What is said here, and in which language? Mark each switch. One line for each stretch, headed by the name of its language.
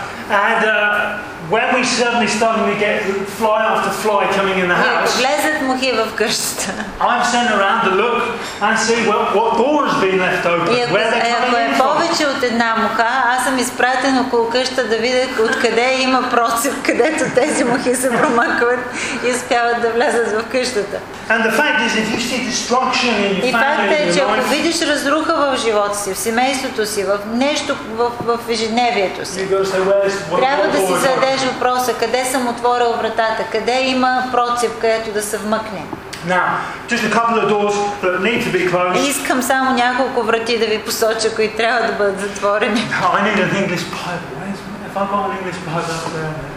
English: And when we suddenly start to get fly after fly coming in the house.
Bulgarian: И влезат мухи в къщата.
English: I'm sent around to look and see what door has been left open. Where they coming from?
Bulgarian: Ако е повече от една муха, аз съм изпратен около къщата да видя откъде има процеп, където тези мухи се промъкват и успяват да влязат в къщата.
English: And the fact is, if you see destruction in your family,
Bulgarian: и факт е, че ако видиш разруха в живота си, в семейството си, в нещо в ежедневието си, трябва да си зададеш въпроса, къде съм отворил вратата, къде има процеп, където да се вмъкне.
English: Now, just a couple of doors that need to be closed.
Bulgarian: Искам само няколко врати да ви посоча, които трябва да бъдат затворени.
English: Now, I need an English Bible. If I got an English Bible, I'll go there.